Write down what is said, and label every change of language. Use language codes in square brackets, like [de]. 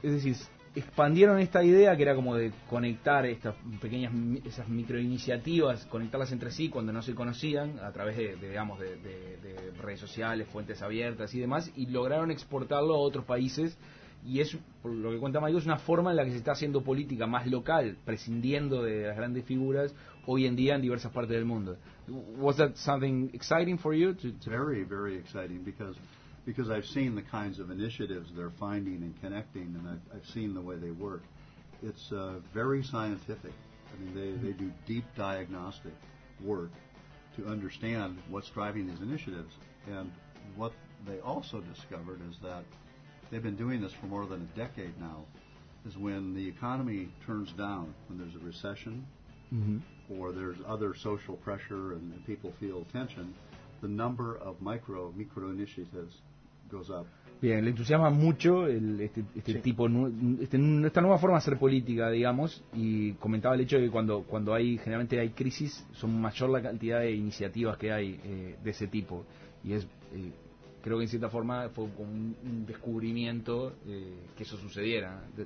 [es] Es decir, expandieron esta idea que era como de conectar estas pequeñas, esas microiniciativas, conectarlas entre sí cuando no se conocían a través de redes sociales, fuentes abiertas y demás, y lograron exportarlo a otros países. Y es, por lo que cuenta Mario, es una forma en la que se está haciendo política más local, prescindiendo de las grandes figuras, hoy en día en diversas partes del mundo. [en] Was that something exciting for you? Very, very exciting, because I've seen the kinds of initiatives they're finding and connecting, and I've seen the way they work. It's very scientific. I mean, they do deep diagnostic work to understand what's driving these initiatives. And what they also discovered is that they've been doing this for more than a decade now, is when the economy turns down, when there's a recession, mm-hmm. or there's other social pressure and people feel tension, the number of micro initiatives goes up. [es] Bien, le entusiasma mucho esta nueva forma de hacer política, digamos, y comentaba el hecho de que cuando hay generalmente hay crisis, son mayor la cantidad de iniciativas que hay de ese tipo, y es creo que en cierta forma fue como un descubrimiento que eso sucediera.